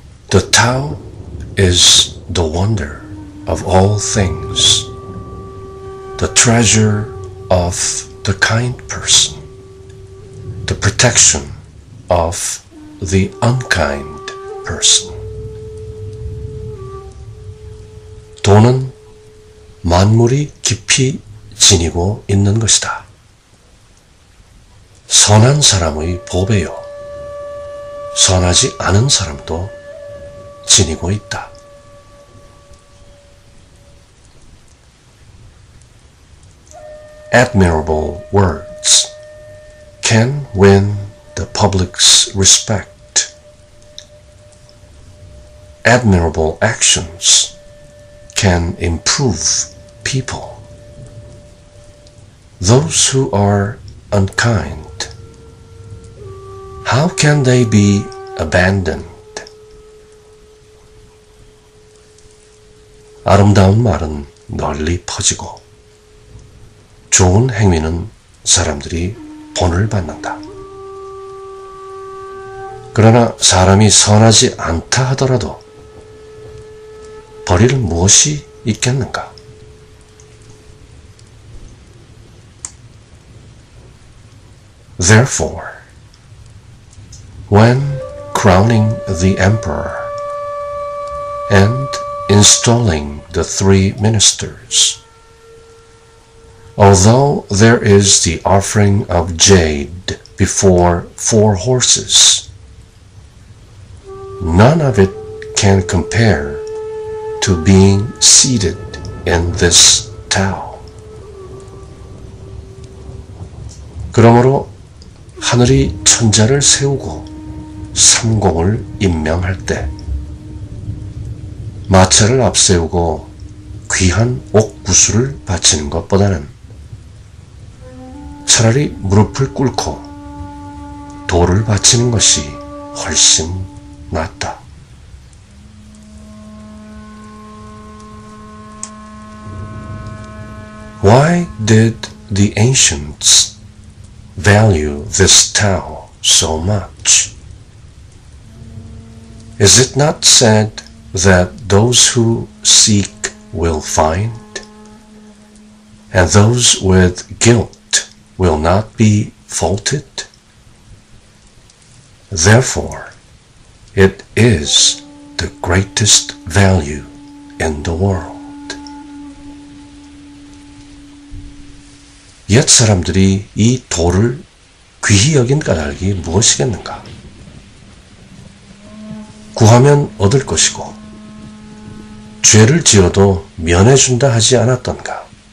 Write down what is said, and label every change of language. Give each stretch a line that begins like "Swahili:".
English: The Tao is the wonder of all things, the treasure of the kind person, the protection of the unkind person.
Korean: 돈은 만물이 깊이 지니고 있는 것이다. 선한 사람의 보배요. 선하지 않은 사람도 지니고 있다.
English: 'Admirable words can win the public's respect. Admirable actions can improve people. Those who are unkind, how can they be abandoned?
Korean: 아름다운 말은 널리 퍼지고 좋은 행위는 사람들이 본을 받는다. 그러나 사람이 선하지 않다 하더라도 버릴 무엇이 있겠는가?
English: Therefore, when crowning the emperor and installing the three ministers, although there is the offering of jade before four horses, none of it can compare to being seated in this Tao.
Korean: 그러므로 하늘이 천자를 세우고 삼공을 임명할 때 마차를 앞세우고 귀한 옥구슬을 바치는 것보다는 차라리 무릎을 꿇고 도를 바치는 것이 훨씬 낫다.
English: Why did the ancients value this Tao so much? Is it not said that those who seek will find, and those with guilt will not be faulted? Therefore, it is the greatest value in the world.
Korean: 옛 사람들이 이 도를 귀히 여긴 까닭이 무엇이겠는가? 구하면 얻을 것이고, 죄를 지어도 면해준다 하지 않았던가?